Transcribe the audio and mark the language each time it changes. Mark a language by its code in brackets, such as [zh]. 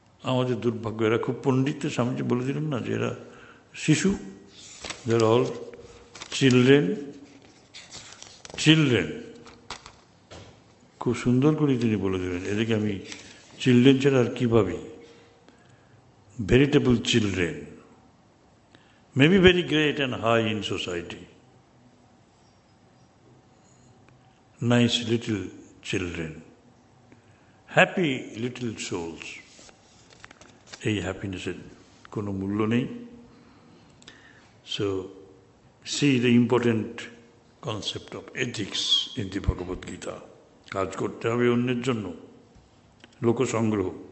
[bn] আমাদের দুর্ভাগ্য, এরা খুব পণ্ডিতদের স্বামীজি বলে দিলেন না যে এরা শিশু, [en] দের all children, children, [bn] খুব সুন্দর করে তিনি বলে দিলেন, এদেরকে আমি চিলড্রেন ছাড়া আর কী ভাবি, [en] Veritable children, may be very great and high in society, nice little children, happy little souls. [bn] এই হ্যাপিনেসের কোনো মূল্য নেই. [en] So see the important concept of ethics in the Bhagavad Gita. [bn] কাজ করতে হবে অন্যের জন্য, লোকসংগ্রহ.